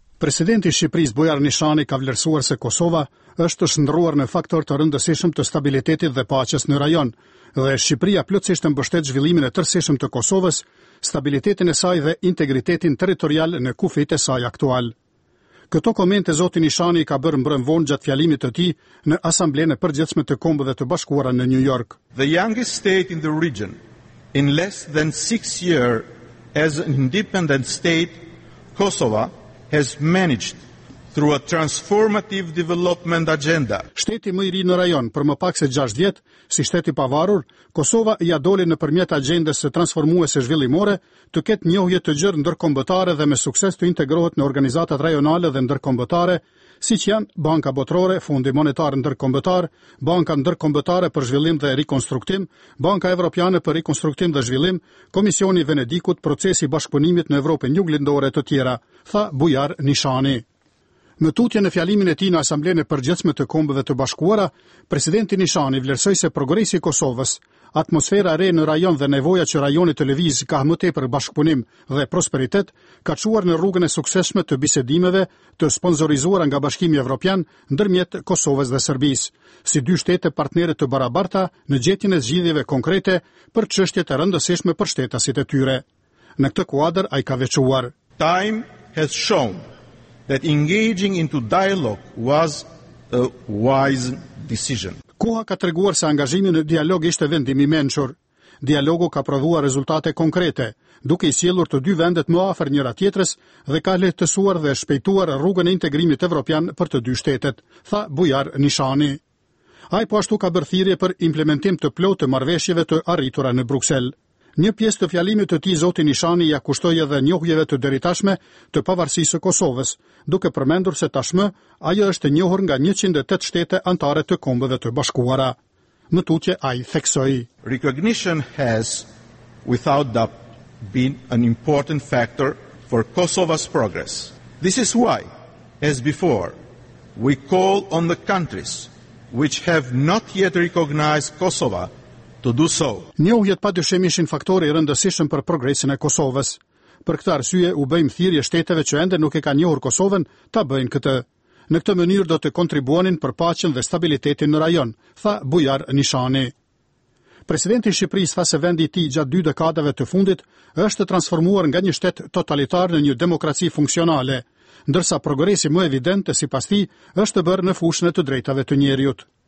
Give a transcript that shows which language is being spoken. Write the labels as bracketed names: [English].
[Albanian] Presidenti i Shqipërisë Bujar Nishani ka vlerësuar se Kosova është të shndruar në faktor të rëndësishëm të stabilitetit dhe paqes në rajon, dhe Shqipëria plotësisht e mbështet zhvillimin e tërësishëm të Kosovës, stabilitetin e saj dhe integritetin territorial në kufijtë e saj aktual. Këto komente zoti Nishani ka bërë mbrëmë vonë gjatë fjalimit të tij në Asamblenë e Përgjithshme të Kombeve të Bashkuara në New York. [English] The youngest state in the region in less than 6 years as an independent state, Kosova has managed through a transformative development agenda. [Albanian] Shteti më i ri në rajon për më pak se 6 vjet, si shteti pavarur, Kosova ja doli nëpërmjet agjendës së transformuese zhvillimore të ketë njohje të gjerë ndërkombëtare dhe me sukses të integrohet në organizatat rajonale dhe ndërkombëtare, siç janë Banka Botërore, Fondi Monetar Ndërkombëtar, Banka Ndërkombëtare për Zhvillim dhe Rikonstruktim, Banka Evropiane për Rikonstruktim dhe Zhvillim, Komisioni i Venedikut, procesi bashkëpunimit në Evropën Jugëlindore të tjera, tha Bujar Nishani. Më tutje në fjalimin e tij në Asamblenë e Përgjithshme të Kombeve të Bashkuara, presidenti Nishani vlersoi se progresi i Kosovës, atmosfera e re në rajon dhe nevoja që rajoni të lëvizë ka më tepër bashkëpunim dhe prosperitet, ka çuar në rrugën e suksesshme të bisedimeve të sponsorizuara nga Bashkimi Evropian ndërmjet Kosovës dhe Serbisë, si dy shtete partnere të barabarta në gjetjen e zgjidhjeve konkrete për çështjet e rëndësishme për shtetasit e tyre. Në këtë kuadër ai ka veçuar: [English] Time has shown that engaging into dialogue was a wise decision. [Albanian] Koha ka treguar se angazhimi në dialog ishte vendim i mençur. Dialogu ka prodhuar rezultate konkrete, duke i sjellur të dy vendet më afër njëra tjetrës dhe ka lehtësuar dhe shpejtuar rrugën e integrimit evropian për të dy shtetet, tha Bujar Nishani. Ai po ashtu ka bërë thirrje për implementim të plotë të marrëveshjeve të arritura në Bruksel. Një pjesë të fjalimit të tij zoti Nishani ja kushtoi edhe njohjeve të drejtashme të pavarësisë së Kosovës, duke përmendur se tashmë ajo është e njohur nga 108 shtete anëtare të Kombeve të Bashkuara. Më tutje ai theksoi: [English] Recognition has without doubt been an important factor for Kosovo's progress. This is why, as before, we call on the countries which have not yet recognized Kosovo. [Albanian] Njohjet padyshim ishin faktori i rëndësishëm për progresin e Kosovës. Për këtë arsye u bëjmë thirrje shteteve që ende nuk e kanë njohur Kosovën ta bëjnë këtë. Në këtë mënyrë do të kontribuonin për paqen dhe stabilitetin në rajon, tha Bujar Nishani. Presidenti i Shqipërisë tha se vendi i tij gjatë dy dekadave të fundit është transformuar nga një shtet totalitar në një demokraci funksionale, ndërsa progresi më evident sipas tij është bërë në fushën e të drejtave të njeriut.